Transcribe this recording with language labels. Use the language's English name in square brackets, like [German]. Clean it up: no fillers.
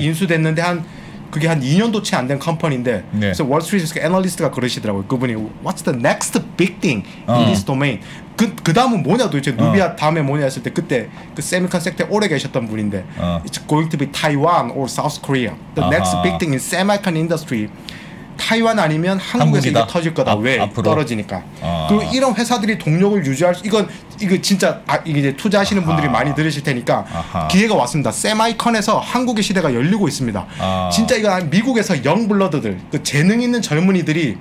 [Korean] 인수됐는데 한 그게 한 2년도 채 안 된 컴퍼니인데 네. 그래서 월스트리트 애널리스트가 그러시더라고요. 그분이 [English] What's the next big thing in this domain? [Korean] 그 다음은 뭐냐 도대체 누비아 다음에 뭐냐 했을 때 그때 그 세미컨 섹터에 오래 계셨던 분인데 [English] It's going to be Taiwan or South Korea. The next big thing in semiconductor industry. [Korean] 타이완 아니면 한국에서 이게 터질 거다. 왜? 앞으로? 떨어지니까. 아. 그리고 이런 회사들이 동력을 유지할 수 이건 이거 진짜 아, 이제 투자하시는 아하. 분들이 많이 들으실 테니까 아하. 기회가 왔습니다. 세마이컨에서 한국의 시대가 열리고 있습니다. 아. 진짜 이거 미국에서 영블러드들 그 재능 있는 젊은이들이